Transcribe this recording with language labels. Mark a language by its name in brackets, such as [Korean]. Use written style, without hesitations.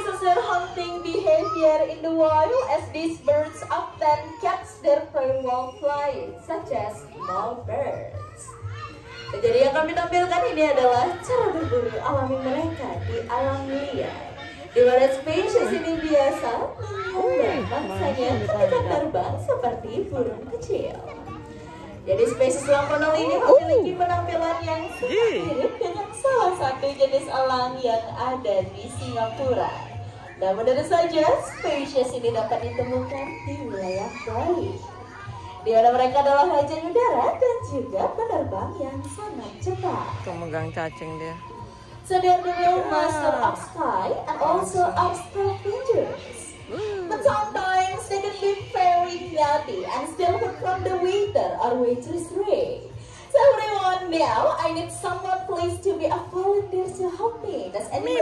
[English] Hunting behavior in the wild, as these birds often catch their prey while flying, such as small birds. [Indonesian] Jadi yang kami tampilkan ini adalah cara berburu alami mereka di alam liar, di mana spesies ini biasa mengembangkannya ketika terbang seperti burung kecil. Jadi spesies elang konal ini memiliki penampilan yang mirip dengan salah satu jenis elang yang ada di Singapura. Namun ada saja, spesies ini dapat ditemukan di wilayah Bali. Di mana mereka adalah raja udara dan juga penerbang yang sangat cepat. Tuh megang cacing dia. [English] So they are the real master of sky and also of scavengers. But sometimes they can be very naughty and steal food from the waiter or waitress Ray. So everyone, now I need someone please to be a volunteer to help me. Does anyone